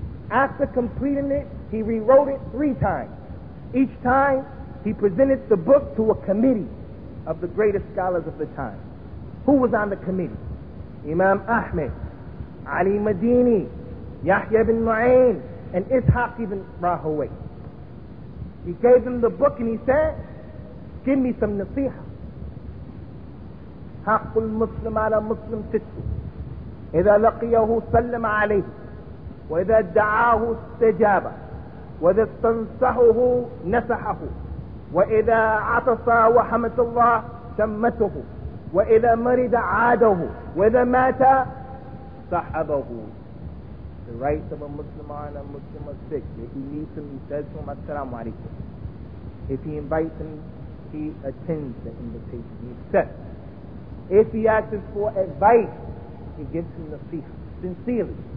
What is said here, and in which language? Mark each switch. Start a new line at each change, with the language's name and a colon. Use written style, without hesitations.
English: After completing it, he rewrote it three times. Each time, he presented the book to a committee of the greatest scholars of the time. Who was on the committee? Imam Ahmed, Ali Madini, Yahya ibn Mu'ayn, and Ishaq ibn Rahowy. He gave them the book and he said, give me some nasiha.
Arabic: حق المسلم على مسلم ستو إذا لقيه سلم عليه وإذا دعاه استجاب وإذا استنصحه نصحه وإذا عطس وحمد الله شمته وإذا مرض عاده وإذا مات صحبه.
English: The rights of a Muslim on a Muslim are sick. If he meets him, he says to him, Assalamu alaikum. If he invites him, he attends the invitation. He accepts. If he asks him for advice, he gives him nasiha, sincerely.